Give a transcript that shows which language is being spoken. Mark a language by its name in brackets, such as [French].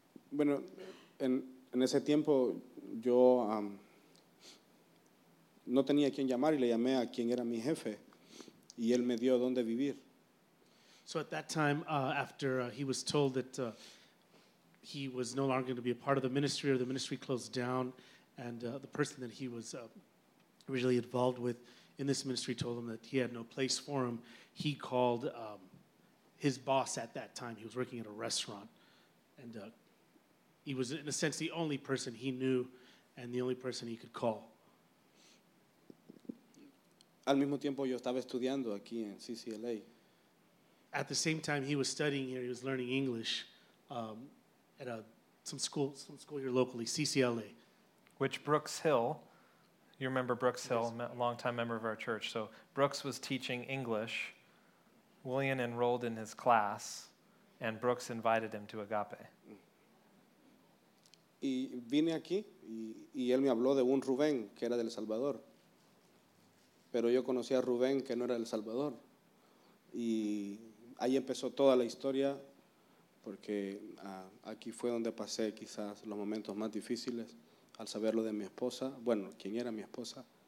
[Spanish] Bueno, en ese tiempo yo no tenía quien llamar y le llamé a quien era mi jefe y él me dio dónde vivir. [English] So at that time, after he was told that he was no longer going to be a part of the ministry or the ministry closed down, and the person that he was originally involved with in this ministry told him that he had no place for him, he called his boss at that time. He was working at a restaurant, and he was, in a sense, the only person he knew and the only person he could call. [Spanish] Al mismo tiempo, yo estaba estudiando aquí en CCLA. [English] At the same time he was studying here, he was learning English at some school here locally, CCLA. Which Brooks Hill, you remember Brooks Hill, yes. Longtime member of our church. So Brooks was teaching English. William enrolled in his class, and Brooks invited him to Agape. [Spanish] Y vine aquí, y él me habló de un Rubén, que era del Salvador. Pero yo conocí a Rubén, que no era del Salvador. Y ahí empezó toda la historia, porque aquí fue donde pasé quizás los momentos más difíciles, al saberlo de mi esposa, bueno, quién era mi esposa.